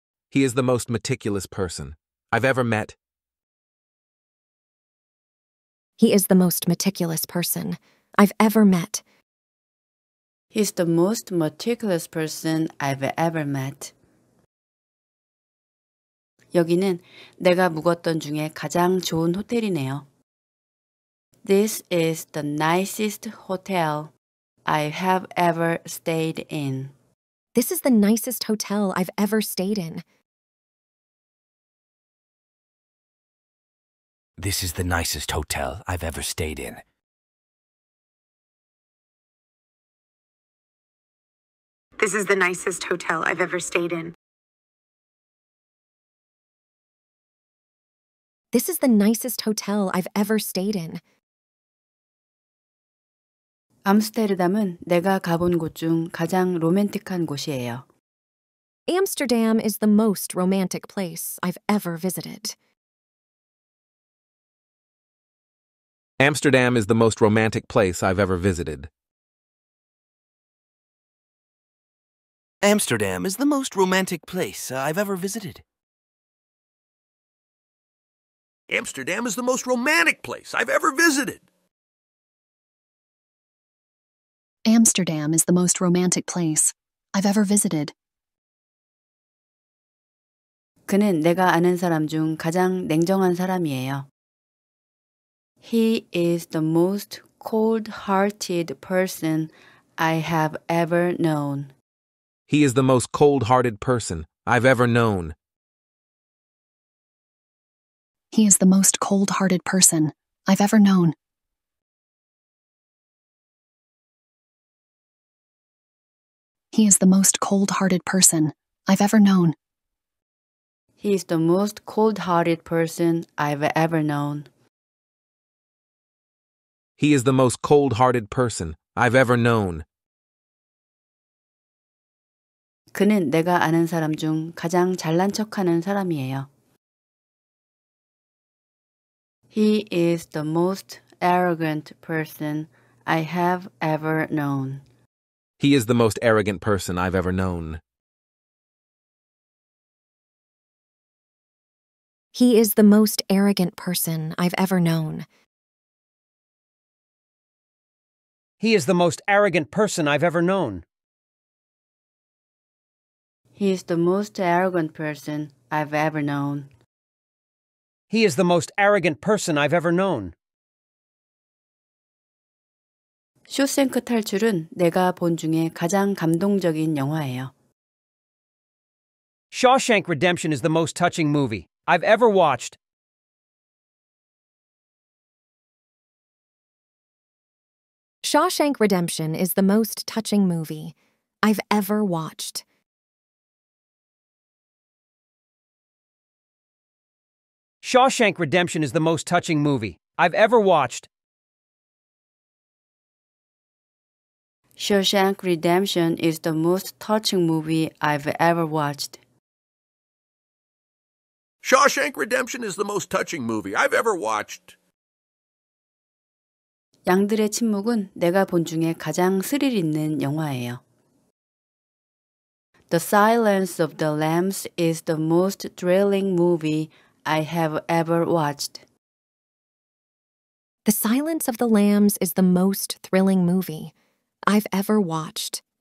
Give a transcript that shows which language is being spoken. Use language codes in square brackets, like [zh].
[en] He is the most meticulous person I've ever met. He is the most meticulous person I've ever met. He's the most meticulous person I've ever met. [ko] 여기는 내가 묵었던 중에 가장 좋은 호텔이네요. [en] This is the nicest hotel I have ever stayed in. This is the nicest hotel I've ever stayed in. This is the nicest hotel I've ever stayed in. This is the nicest hotel I've ever stayed in. This is the nicest hotel I've ever stayed in. [ko] 암스테르담은 내가 가본 곳 중 가장 로맨틱한 곳이에요. [en] Amsterdam is the most romantic place I've ever visited. Amsterdam is the most romantic place I've ever visited. Amsterdam is the most romantic place I've ever visited. Amsterdam is the most romantic place I've ever visited. Amsterdam is the most romantic place I've ever visited. [ko] 그는 내가 아는 사람 중 가장 냉정한 사람이에요. [en] He is the most cold-hearted person I have ever known. He is the most cold-hearted person I've ever known. He is the most cold-hearted person I've ever known. He is the most cold-hearted person I've ever known. He is the most cold-hearted person I've ever known. He is the most cold-hearted person I've ever known. [ko] 그는 내가 아는 사람 중 가장 잘난 척하는 사람이에요. [en] He is the most arrogant person I have ever known. He is the most arrogant person I've ever known. He is the most arrogant person I've ever known. He is the most arrogant person I've ever known. He is the most arrogant person I've ever known. He is the most arrogant person I've ever known. [ko] 쇼생크 탈출은 내가 본 중에 가장 감동적인 영화예요. [en] Shawshank Redemption is the most touching movie I've ever watched. Shawshank Redemption is the most touching movie I've ever watched. Shawshank Redemption is the most touching movie I've ever watched. Shawshank Redemption is the most touching movie I've ever watched. Shawshank Redemption is the most touching movie I've ever watched. [ko] 양들의 침묵은 내가 본 중에 가장 스릴 있는 영화예요. [en] The Silence of the Lambs is the most thrilling movie I have ever watched. The Silence of the Lambs is the most thrilling movie I've ever watched.